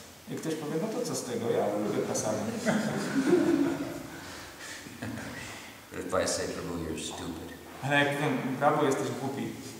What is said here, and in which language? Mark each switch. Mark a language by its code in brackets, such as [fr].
[pl] i ktoś powie, no to co z tego, ja lubię prasami. [en] But if I say, Prabhu, you're stupid. [pl] Ale jak powiem, Prabhu, jesteś głupi.